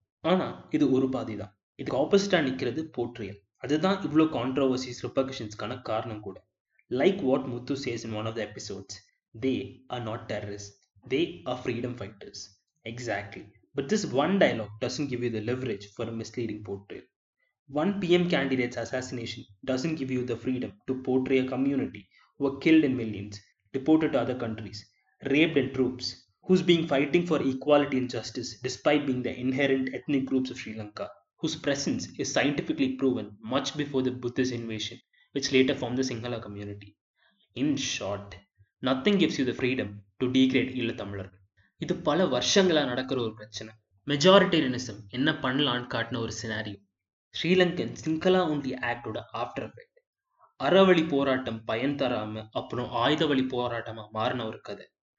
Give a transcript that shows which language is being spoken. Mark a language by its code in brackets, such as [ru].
[ta] ஆனால் இது ஒரு பாதி தான், இதுக்கு ஆப்போசிட்டாக நிற்கிறது போர்ட்ரியல். அதுதான் இவ்வளோ கான்ட்ரவர்சிஸ் ரிப்பர்கஷன்ஸ்க்கான காரணம் கூட. [en] Like what Muthu says in one of the episodes, they are not terrorist, they are freedom fighters. Exactly, but this one dialogue doesn't give you the leverage for misleading portrayal. One PM candidate's assassination doesn't give you the freedom to portray a community who were killed in millions, deported to other countries, raped in troops, who's being fighting for equality and justice despite being the inherent ethnic groups of Sri Lanka, who whose presence is scientifically proven much before the Buddhist invasion, which later formed the Sinhala community. In short, nothing gives you the freedom to degrade Ilathamilar. [ta] இது பல வருஷங்களா நடக்கிற ஒரு பிரச்சனை. Majoritarianism என்ன பண்ணலான்னு காட்டின ஒரு scenario. [en] Sri Lankan Sinhala only ஆக்டோட after effect. [ta] அறவழி போராட்டம் பயன் தராம அப்புறம் ஆயுத வழி போராட்டமா மாறின ஒரு கதை.